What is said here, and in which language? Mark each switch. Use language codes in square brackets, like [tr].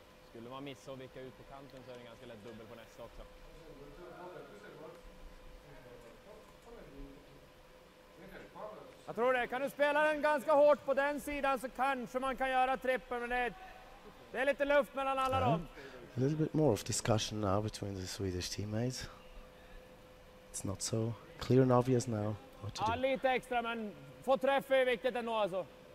[sv] Skulle man missa och vika ut på kanten så är det ganska lätt dubbel på nästa också. Jag tror det. Kan du spela den ganska hårt på den sidan så kanske man kan göra trippen med det. Det är lite luft mellan alla dem. [en] A little bit more of discussion now between the Swedish teammates. It's not so clear and obvious now what to do. [sv] Lite extra, men få träff är viktigt ändå alltså.